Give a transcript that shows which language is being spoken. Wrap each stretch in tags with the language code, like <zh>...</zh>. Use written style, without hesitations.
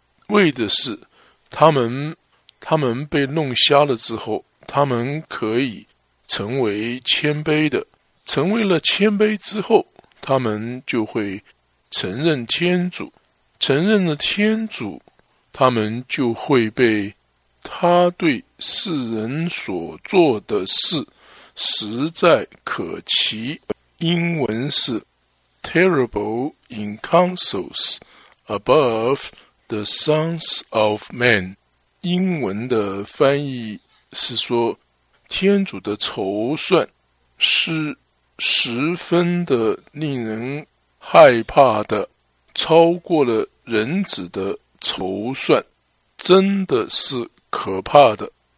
<zh>为的是他们被弄瞎了之后，他们可以成为谦卑的，成为了谦卑之后，他们就会承认天主，承认了天主，他们就会被他对世人所做的事实在可奇。英文是</zh> <en>terrible in counsels above the sons of men.</en> <zh>英文的翻译是说，天主的筹算是十分的令人害怕的，超过了人子的筹算，真的是可怕的。</zh>